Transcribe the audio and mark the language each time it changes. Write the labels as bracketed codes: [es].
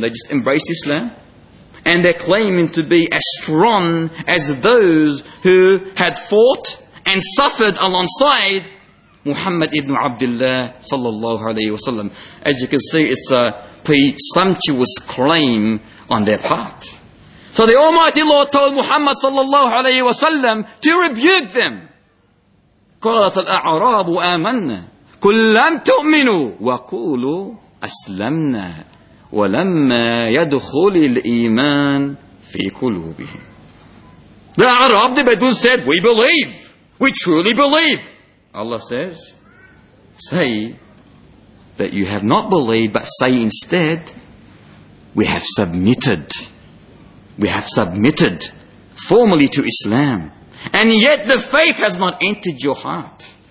[en] They just embraced Islam. And they're claiming to be as strong as those who had fought and suffered alongside Muhammad ibn Abdullah sallallahu alayhi wa sallam. As you can see, it's a presumptuous claim on their part. So the Almighty Lord told Muhammad sallallahu alayhi wa sallam to rebuke them. [ar] قالت الأعراب آمنا كل لم تؤمنوا وقولوا أسلمنا ولما يدخل الإيمان في قلوبهم. [en] The Arab, the Bedouin said, we believe, we truly believe. Allah says, say that you have not believed, but say instead, we have submitted. We have submitted formally to Islam. And yet the faith has not entered your heart.